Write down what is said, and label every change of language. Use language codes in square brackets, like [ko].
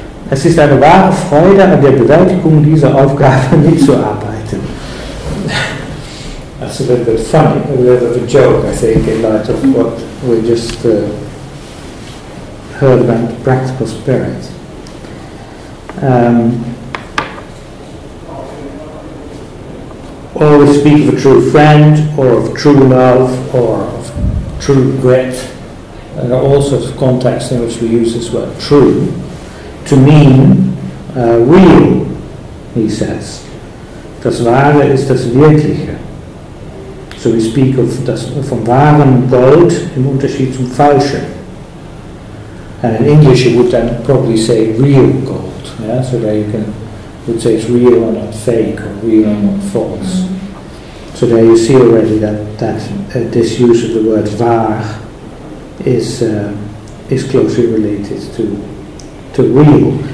[de] Es ist eine wahre Freude an der Bewältigung dieser Aufgabe mitzuarbeiten. [en] That's a little bit funny, a little bit of a joke, I think, in light of what we just heard about the practical spirit. Or we speak of a true friend, or of true love, or of true grit, and there are all sorts of contexts in which we use this word true to mean real, he says. [de] Das Wahre ist das Wirkliche. [en] So we speak of [de] das vom wahren Gold im Unterschied zum Falschen. [en] And in English you would then probably say real gold. Yeah? So there you would say it's real or not fake, or real or not false. So there you see already that this use of the word waar is closely related to real.